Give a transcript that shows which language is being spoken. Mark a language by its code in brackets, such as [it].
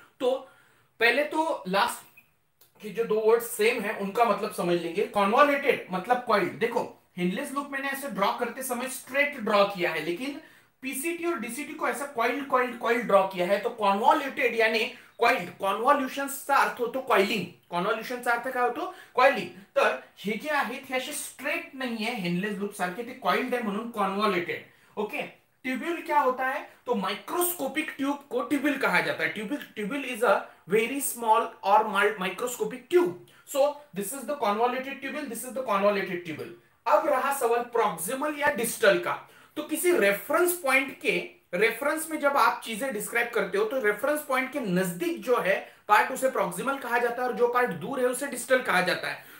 [hi] तो पहले तो लास्ट की जो दो वर्ड सेम है उनका मतलब समझ लेंगे। कॉन्वोलेटेड मतलब कॉइल। देखो हिनलेस लुक मैंने ऐसे ड्रॉ करते समय स्ट्रेट ड्रॉ किया है, लेकिन पीसीटी और डीसीटी को ऐसा कॉइल कॉइल कॉइल ड्रॉ किया है, तो कॉन्वोल्यूटेड यानी कॉइल्ड। कॉन्वोल्यूशन का अर्थ होता है कॉइलिंग, कॉन्वोल्यूशन का अर्थ [mr] काय होतो? [en] Coiling. [mr] तर हे जे आहेत हे असे स्ट्रेट नाही है, हेनलेस लूप सारखे ते कॉइल्ड है म्हणून कॉन्वोल्यूटेड। [hi] ओके, ट्यूब्यूल क्या होता है? तो माइक्रोस्कोपिक ट्यूब को ट्यूब्यूल कहा जाता है। [en] Tubule tubule is a very small और microscopic tube. So this is the convoluted tubule, this is the convoluted tubule. [hi] अब रहा सवाल प्रॉक्सिमल या डिस्टल का, तो किसी रेफरेंस पॉइंट के, रेफरेंस में जब आप चीजें डिस्क्राइब करते हो तो रेफरेंस पॉइंट के नजदीक जो है पार्ट उसे प्रॉक्सिमल कहा जाता है और जो पार्ट दूर है उसे डिस्टल कहा जाता है।